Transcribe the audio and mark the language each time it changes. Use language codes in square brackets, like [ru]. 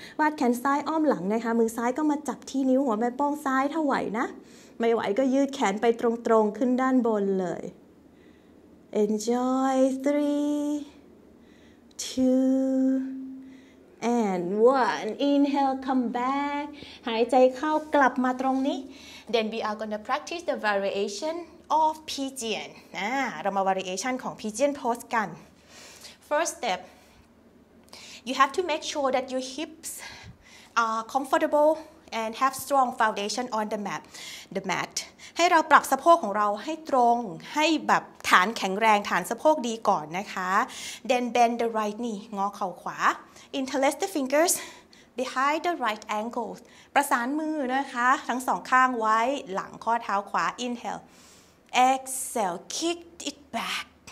[th] วาดแขนซ้ายอ้อมหลังนะคะมือซ้ายก็มาจับที่นิ้วหัวแม่ป้องซ้ายถ้าไหวนะไม่ไหวก็ยืดแขนไปตรงๆขึ้นด้านบนเลย [en] Enjoy 3 2 and 1 inhale come back [th] หายใจเข้ากลับมาตรงนี้ [en] Then we are going to practice the variation of pigeon. [th] เรามา variation ของ pigeon pose กัน [en] First step, you have to make sure that your hips are comfortable and have strong foundation on the mat. [th] ให้เราปรับสะโพกของเราให้ตรงให้แบบฐานแข็งแรงฐานสะโพกดีก่อนนะคะ [en] Then bend the right knee, [th] งอเข่าขวา [en] Interlace the fingers behind the right ankle. [th] ประสานมือนะคะทั้งสองข้างไว้หลังข้อเท้าขวา [en] Inhale, exhale, kick it back.